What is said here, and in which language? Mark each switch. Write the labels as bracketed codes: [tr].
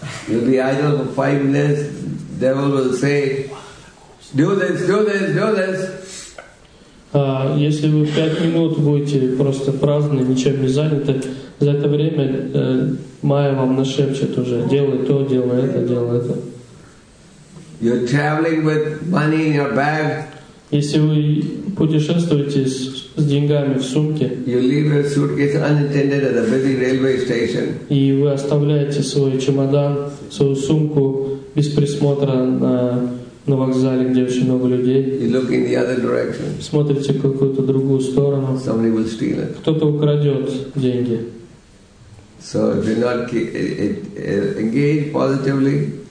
[en] You'll be idle for 5 minutes. Devil will say, do this, do this, do this. [ru] Если вы 5 минут будете просто праздны, ничем не заняты, за это время майя вам нашепчет уже, делай то, делай это, делай это. [en] You're traveling with money in your bag. [ru] Если вы путешествуете с деньгами в сумке, [en] you leave your suitcase unattended at a busy railway station. [ru] И вы оставляете свой чемодан, свою сумку без присмотра на на вокзале, где очень много людей. [en] You look in the other direction. [ru] Смотрите в какую-то другую сторону. [en] Somebody will steal it. [ru] Кто-то украдет деньги. [en] So if you're not engaged positively.